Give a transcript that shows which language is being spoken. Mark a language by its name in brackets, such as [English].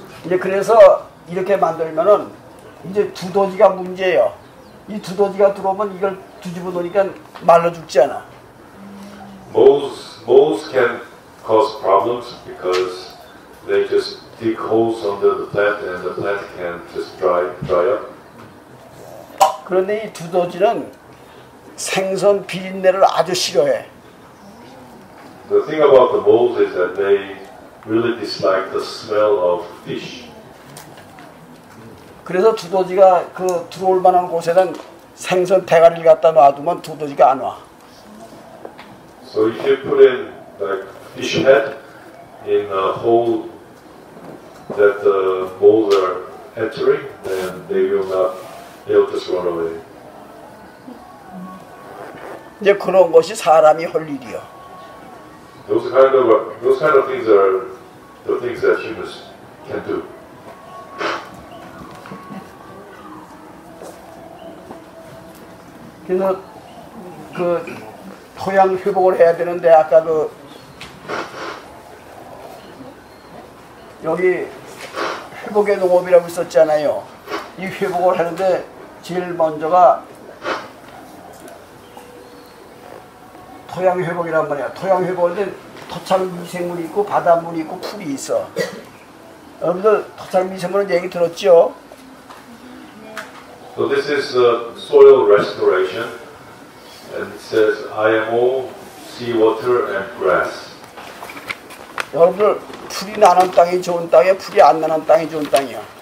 [Korean] 이제 그래서 이렇게 만들면은 이제 두더지가 문제예요. 이 두더지가 들어오면 이걸 뒤집어 놓으니까 말라 죽지 않아. [English] Moles can cause problems because they just dig holes under the plant and the plant can just dry up. [Korean] 그런데 이 두더지는 생선 비린내를 아주 싫어해. [English] The thing about the moles is that they really dislike the smell of fish. [Korean] 그래서 두더지가 그 들어올 만한 곳에는 생선 대가리를 갖다 놔두면 두더지가 안 와. [English] So if you put in like fish head in a hole that the moles are entering, then they'll just run away. [Korean] 이제 그런 것이 사람이 할 일이요. [English] Those kind of things are the things that humans can do. [Korean] 그래서 그 토양 회복을 해야 되는데 아까 그 여기 회복의 농업이라고 있었잖아요. 이 회복을 하는데 제일 먼저가 토양 회복이란 말이야. 토양 회복인데 토착 미생물이 있고 바닷물이 있고 풀이 있어. 여러분들 토착 미생물은 얘기 들었죠? [English] So this is soil restoration, and it says IMO, seawater, and grass. [Korean] 여러분들 풀이 나는 땅이 좋은 땅이야, 풀이 안 나는 땅이 좋은 땅이야.